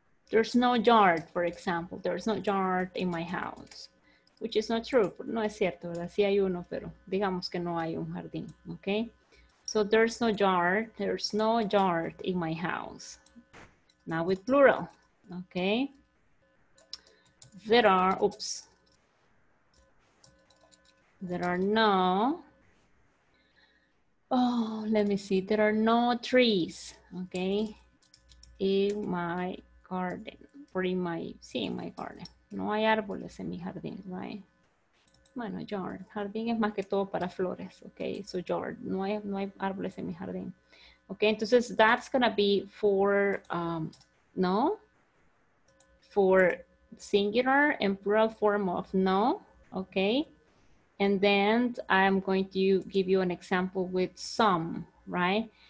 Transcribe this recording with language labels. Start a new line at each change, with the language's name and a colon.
English: There's no yard, for example. There's no yard in my house, which is not true.
Spanish: No es cierto, ¿verdad? Sí hay uno, pero digamos que no hay un jardín, okay?
English: So there's no yard, there's no yard in my house. Now with plural, okay? There are, oops. There are no... oh, let me see. There are no trees, okay, in my garden. Or in my, sí, in my garden.
Spanish: No hay árboles en mi jardín,
English: right? Bueno, yard.
Spanish: Jardín es más que todo para flores, okay?
English: So yard.
Spanish: No hay árboles en mi jardín.
English: Okay,
Spanish: entonces
English: that's gonna be for, no, for singular and plural form of no, okay? And then I'm going to give you an example with some, right?